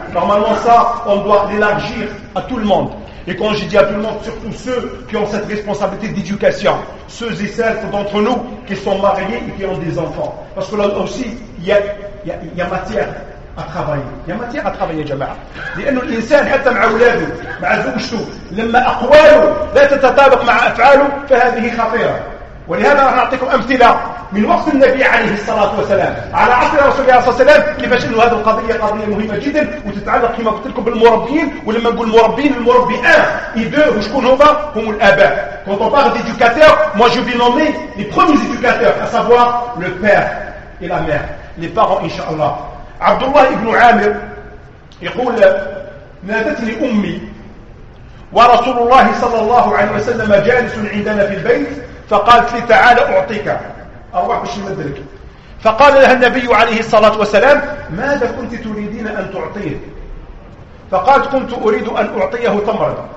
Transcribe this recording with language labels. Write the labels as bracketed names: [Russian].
[French] Normalement ça, on doit l'élargir à tout le monde. Et quand je dis à tout le monde, surtout ceux qui ont cette responsabilité d'éducation, ceux et celles d'entre nous qui sont mariés et qui ont des enfants. Parce que là aussi, il y a matière à travailler. Il y a matière à travailler, jama'a. [Arabic] لأن الإنسان حتى مع أولاده مع زوجته لما أقواله لا تتطابق مع أفعاله فهذه خطيرة. ولهذا راح نعطيكم أمثلة من وقت النبي عليه الصلاة والسلام على عهد رسول الله صلى الله عليه وسلم، كيفاش انه هذه القضية قضية مهمة جدا وتتعلق كما قلت لكم بالمربين. ولما نقول مربين، المربي اي دو، وشكون هما؟ هم الآباء. [French] Quand on parle d'éducateur, moi je vais nommer les premiers éducateurs, à savoir le père et la mère, les parents inshallah. [Arabic] عبد الله بن عامر يقول: نادتني أمي ورسول الله صلى الله عليه وسلم جالس عندنا في البيت، فقالت لي: تعال أعطيك، أروح باش نمدلك. فقال لها النبي عليه الصلاة والسلام: ماذا كنت تريدين أن تعطيه؟ فقالت: كنت أريد أن أعطيه تمرا.